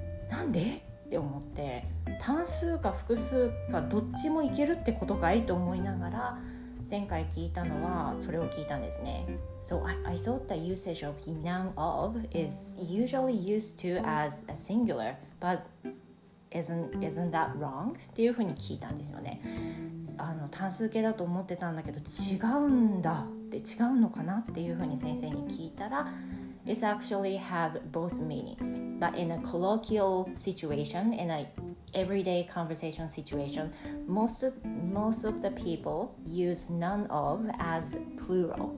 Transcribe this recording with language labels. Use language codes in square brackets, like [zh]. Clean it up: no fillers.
[ja] なんでって思って、単数か複数かどっちもいけるってことかいと思いながら、前回聞いたのはそれを聞いたんですね。 [en] So I thought the usage of none of is usually used to as a singular, but isn't that wrong? [ja] っていうふうに聞いたんですよね。単数形だと思ってたんだけど違うんだって、違うのかなっていうふうに先生に聞いたら、 [en] It's actually have both meanings, but in a colloquial situation, in an everyday conversation situation, most of the people use none of as plural.